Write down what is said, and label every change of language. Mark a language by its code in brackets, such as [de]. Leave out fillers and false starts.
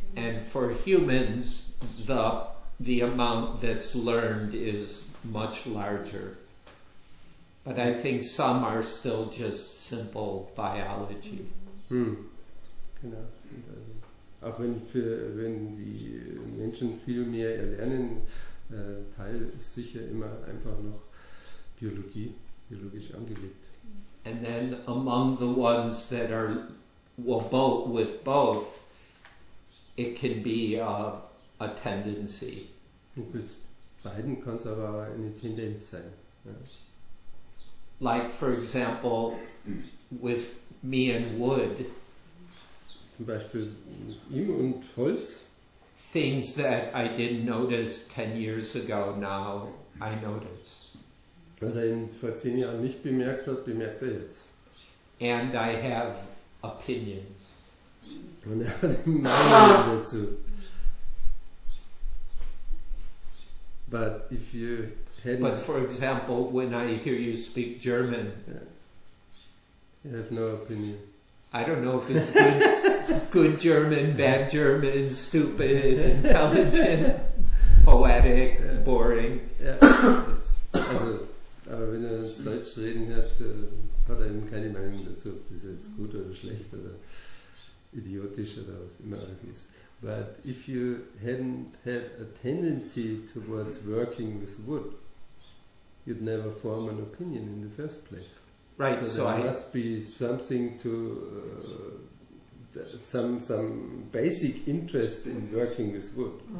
[en] And for humans, the amount that's learned is much larger. But I think some are still just simple biology. [de] Genau. Auch wenn die Menschen viel mehr erlernen, Teil ist sicher immer einfach noch Biologie. Biologisch angelegt. [en] And then among the ones that are with both, it can be a tendency. [de] Und mit beiden kann es aber eine Tendenz sein. Ja. [en] Like for example, with me and wood. [de] Zum Beispiel ihm und Holz. [en] Things that I didn't notice 10 years ago, now I notice. [de] Was er vor 10 Jahren nicht bemerkt hat, bemerkt er jetzt. [en] And I have opinions. [de] Und er hat Meinungen dazu. [en] But if you hadn't. But for example, when I hear you speak German. I have no opinion. I don't know if it's good German, bad German, stupid, intelligent, poetic, boring. [de] Aber wenn er das Deutsch reden hört, hat er eben keine Meinung dazu, ob das jetzt gut oder schlecht oder idiotisch oder was immer auch ist. [en] But if you hadn't had a tendency towards working with wood, you'd never form an opinion in the first place. Right. So there so must I be something to some basic interest in working with wood.